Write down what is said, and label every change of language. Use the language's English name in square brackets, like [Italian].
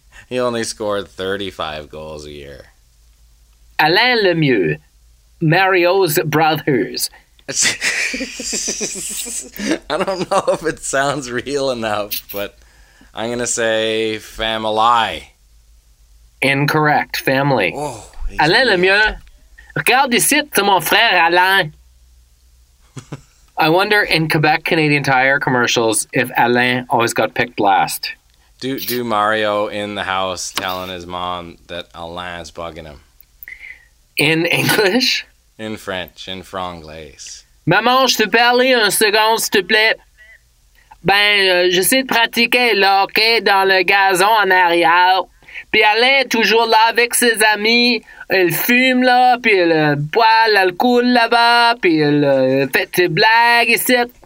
[English] He only scored 35 goals a year. Alain Lemieux, Mario's brothers. I don't know if it sounds real enough, but I'm going to say family. Incorrect. Family. Oh, [French] Alain Lemieux, regarde ici, c'est mon frère Alain. [English] I wonder in Quebec Canadian Tire commercials if Alain always got picked last. Do Mario in the house telling his mom that Alain's bugging him? In English? In French, in franglais. [French] Maman, je te parlais un second, s'il te plaît. Ben, j'essaie de pratiquer l'hockey dans le gazon en arrière. Puis Alain est toujours là avec ses amis. Il fume là, puis il boit l'alcool là-bas, puis il fait des blagues ici.